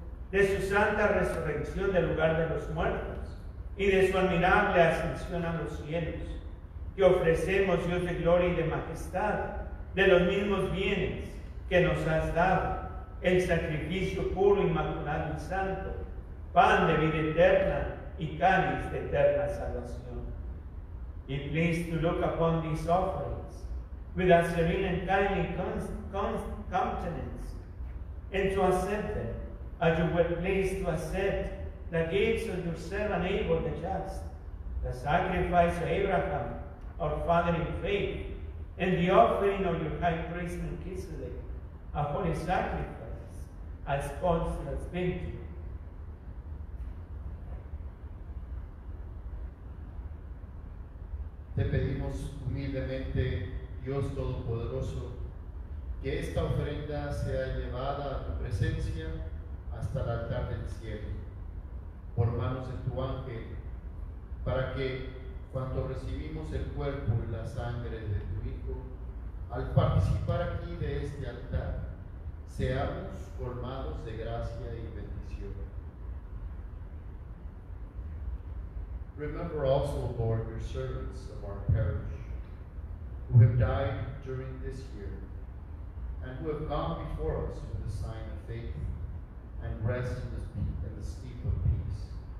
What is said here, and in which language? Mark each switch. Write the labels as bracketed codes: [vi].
[es] de su santa resurrección del lugar de los muertos y de su admirable ascensión a los cielos, te ofrecemos, Dios de gloria y de majestad, de los mismos bienes que nos has dado, el sacrificio puro, inmaculado y santo, pan de vida eterna y cáliz de eterna salvación. [en] Be pleased to look upon these offerings with a serene and kindly countenance, and to accept them as you were pleased to accept the gifts of your servant Abel the just, the sacrifice of Abraham, our father in faith, and the offering of your high priest Melchizedek, a holy sacrifice, as spotless virgin. [es] Te pedimos humildemente, Dios Todopoderoso, que esta ofrenda sea llevada a tu presencia hasta el altar del cielo, por manos de tu ángel, para que, cuando recibimos el cuerpo y la sangre de tu Hijo, al participar aquí de este altar, seamos colmados de gracia y bendición. [en] Remember also, Lord, your servants of our parish, who have died during this year, and who have gone before us with the sign of faith, and rest in the sleep of peace.